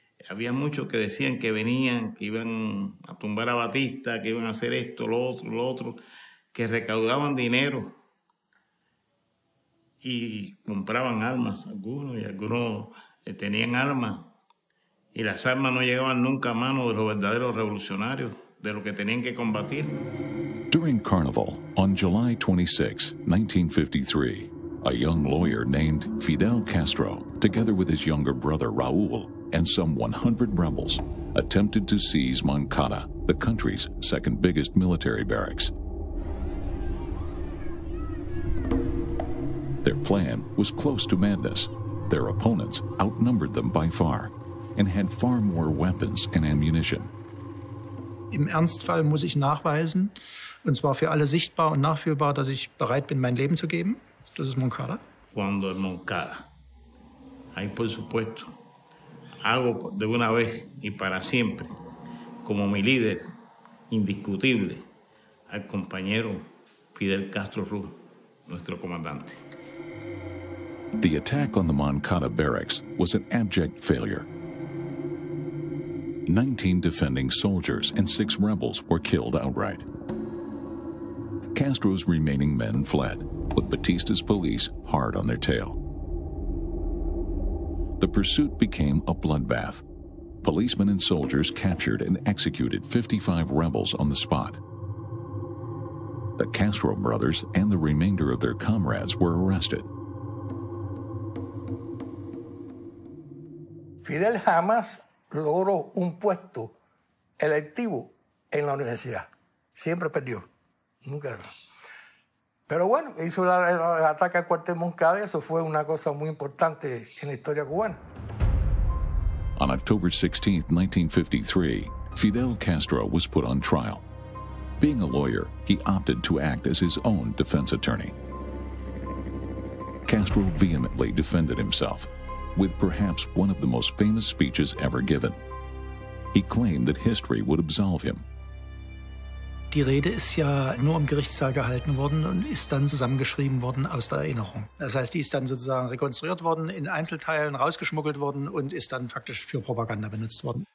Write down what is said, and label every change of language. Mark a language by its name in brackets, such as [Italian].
[Spanish] Había muchos que decían que venían, que iban a tumbar a Batista, que iban a hacer esto, lo otro, que recaudaban dinero y compraban armas, algunos, y algunos tenían armas. Y las armas no llegaban nunca a manos de los verdaderos revolucionarios, de los que tenían que combatir. [English] During Carnival, on July 26, 1953, a young lawyer named Fidel Castro, together with his younger brother Raul and some 100 rebels, attempted to seize Moncada, the country's second biggest military barracks. Their plan was close to madness. Their opponents outnumbered them by far and had far more weapons and ammunition. [German] Im Ernstfall muss ich nachweisen, und zwar für alle sichtbar und nachfühlbar, dass ich bereit bin, mein Leben zu geben. Das ist Moncada. [Spanish] Cuando es Moncada. Ahí, por supuesto. Hago de una vez y para siempre, como mi líder indiscutible, al compañero Fidel Castro Ruz, nuestro comandante. [English] The attack on the Moncada barracks was an abject failure. 19 defending soldiers and 6 rebels were killed outright. Castro's remaining men fled, with Batista's police hard on their tail. The pursuit became a bloodbath. Policemen and soldiers captured and executed 55 rebels on the spot. The Castro brothers and the remainder of their comrades were arrested. [Spanish] Fidel jamás logró un puesto electivo en la universidad. Siempre perdió. Nunca. Pero bueno, hizo el ataque al cuartel Moncada. Eso fue una cosa muy importante en la historia cubana. [English] On October 16, 1953, Fidel Castro was put on trial. Being a lawyer, he opted to act as his own defense attorney. Castro vehemently defended himself, with perhaps one of the most famous speeches ever given. He claimed that history would absolve him. [German] Die Rede ist ja nur im Gerichtssaal gehalten worden und ist dann zusammengeschrieben worden aus der Erinnerung. Das heißt, die ist dann sozusagen rekonstruiert worden, in Einzelteilen rausgeschmuggelt worden und ist dann faktisch für Propaganda benutzt worden.